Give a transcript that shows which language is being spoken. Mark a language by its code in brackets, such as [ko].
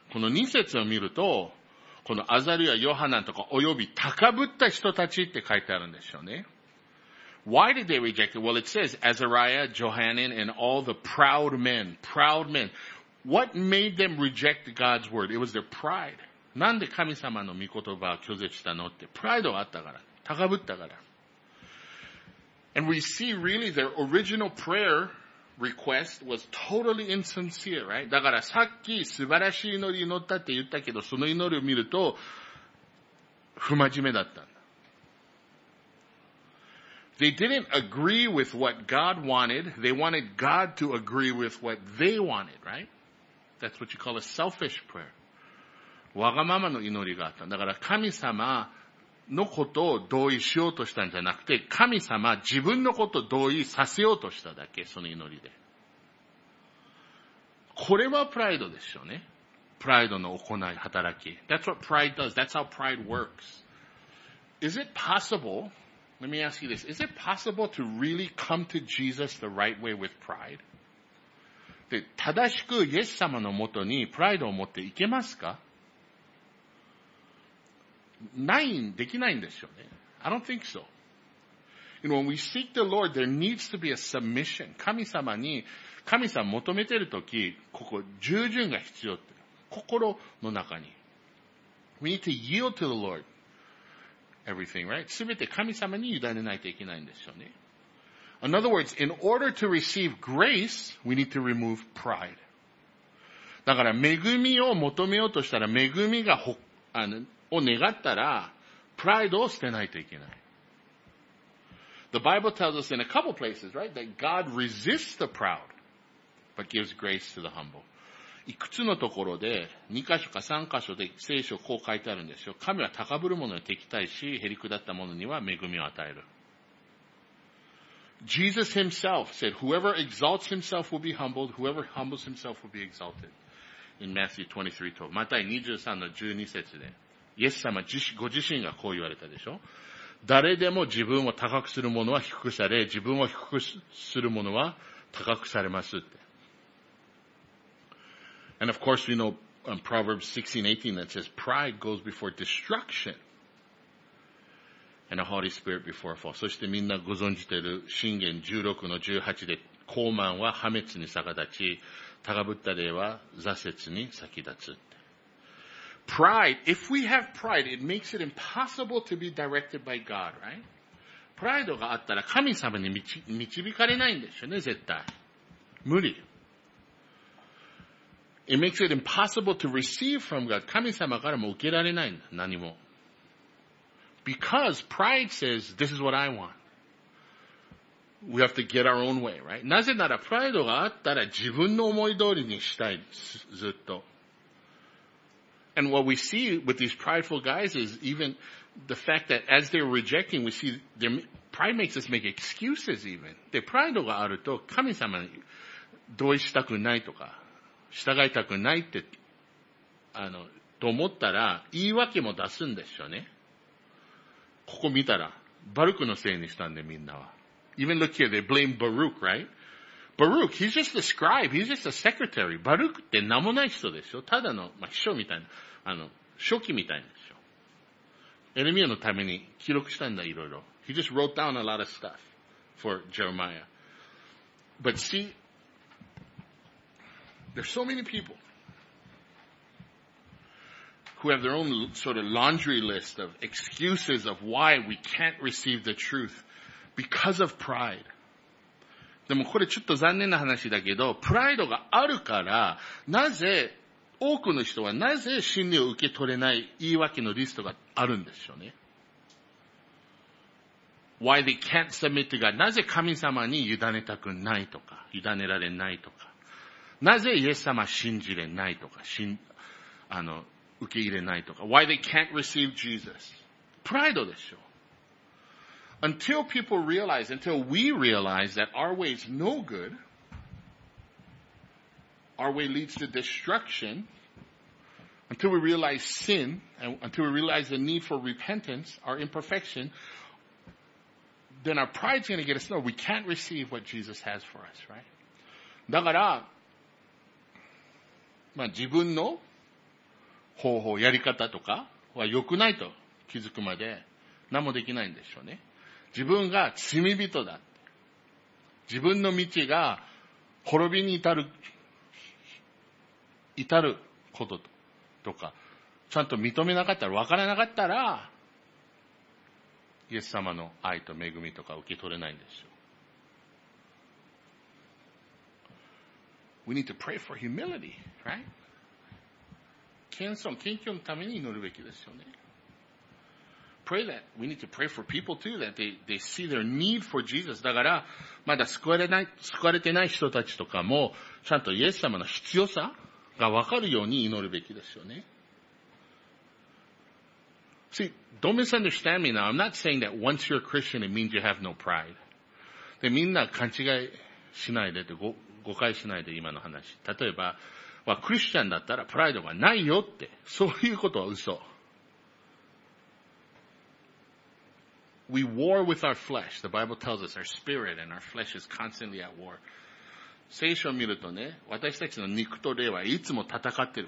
[ja] この2節を見ると、このアザルやヨハナンとか、および高ぶった人たちって書いてあるんですよね。 [en] Why did they reject it? Well, it says Azariah, Johanan, and all the proud men. Proud men. What made them reject God's word? It was their pride. [ja] なんで神様の御言葉を拒絶したのって。 Pride はあったから。高ぶったから。 [en] And we see really their original prayer request was totally insincere, right? [ja] だからさっき素晴らしい祈り祈ったって言ったけど、その祈りを見ると、不真面目だった。 [en] They didn't agree with what God wanted. They wanted God to agree with what they wanted, right? That's what you call a selfish prayer. [ja] わがままの祈りがあった。だから神様のことを同意しようとしたんじゃなくて、神様自分のことを同意させようとしただけ、その祈りで。これはプライドでしょうね。プライドの行い、働き。 [en] That's what pride does. That's how pride works. Is it possible? Let me ask you this. Is it possible to really come to Jesus the right way with pride? [ja] で、正しくイエス様のもとにプライドを持っていけますか？ない、できないんですよね。 [en] I don't think so. You know, when we seek the Lord, there needs to be a submission. [ja] 神様求めてるとき、ここ、従順が必要って。心の中に。 [en] We need to yield to the Lord. Everything, right? [ja] 全て神様に委ねないといけないんですよね。 [en] In other words, in order to receive grace, we need to remove pride. [ja] だから、恵みを求めようとしたら、恵みがを願ったら、プライドを捨てないといけない。 [en] The Bible tells us in a couple places, right, that God resists the proud, but gives grace to the humble. [ja] いくつのところで、2箇所か3箇所で聖書こう書いてあるんですよ。神は高ぶる者に敵対し、へり下った者には恵みを与える。 [en] Jesus himself said, whoever exalts himself will be humbled, whoever humbles himself will be exalted. In Matthew 23:12. [ja] また23の12節で、イエス様ご自身がこう言われたでしょ。誰でも自分を高くする者は低くされ、自分を低くする者は高くされますって。 [en] And of course, we know Proverbs 16:18 that says, "Pride goes before destruction, and a haughty spirit before a fall." [ja] そしてみんなご存じている箴言16の18で、高慢は破滅に逆立ち、高ぶった霊は挫折に先立つ。 [en] Pride. If we have pride, it makes it impossible to be directed by God, right? [ja] プライドがあったら神様に導かれないんでしょうね、絶対。無理。 [en] It makes it impossible to receive from God. [ja] 神様からも受けられないんだ、何も。 [en] Because pride says, this is what I want. We have to get our own way, right? [ja] なぜなら、プライドがあったら自分の思い通りにしたい、ずっと。 [en] And what we see with these prideful guys is even the fact that as they're rejecting, we see their pride makes us make excuses even. [ja] で、プライドがあると神様に同意したくないとか。従いたくないって、と思ったら、言い訳も出すんでしょうね。ここ見たら、バルクのせいにしたんで、みんなは。 [en] Even look here, they blame Baruch, right? Baruch, he's just a scribe, he's just a secretary. [ja] バルクって名もない人でしょ。ただの、まあ、秘書みたいな、書記みたいなでしょ。エレミアのために記録したんだ、いろいろ。 [en] He just wrote down a lot of stuff for Jeremiah. But see,There's so many people. who have their own sort of laundry list of excuses of why we can't receive the truth because of pride. [ja] でもこれちょっと残念な話だけど、プライドがあるから、なぜ、多くの人はなぜ真理を受け取れない言い訳のリストがあるんでしょうね。 [en] Why they can't submit to God? [ja] なぜ神様に委ねたくないとか、委ねられないとか、なぜイエス様信じれないとか、受け入れないとか。 [en] Why they can't receive Jesus? [ja] プライドでしょう。 [en] Until people realize, until we realize that our way is no good, our way leads to destruction, until we realize sin, and until we realize the need for repentance, our imperfection, then our pride's gonna get us. No, we can't receive what Jesus has for us, right? [ja] だから、まあ自分の方法、やり方とかは良くないと気づくまで何もできないんでしょうね。自分が罪人だ。自分の道が滅びに至ることとか、ちゃんと認めなかったら、分からなかったら、イエス様の愛と恵みとか受け取れないんでしょう。 [en] We need to pray for humility, right? [ja] 謙遜、謙虚のために祈るべきですよね。 [en] Pray that. We need to pray for people too, that they see their need for Jesus. [ja] だから、まだ救われてない人たちとかも、ちゃんとイエス様の必要さがわかるように祈るべきですよね。 [en] See, don't misunderstand me now. I'm not saying that once you're a Christian, it means you have no pride. [ja] で、みんな勘違いしないでって、誤解しないで今の話。例えば、まあ、クリスチャンだったらプライドがないよって、そういうことは嘘。 [en] We war with our flesh. The Bible tells us our spirit and our flesh is constantly at war. [ja] 聖書を見るとね、私たちの肉と霊はいつも戦っている。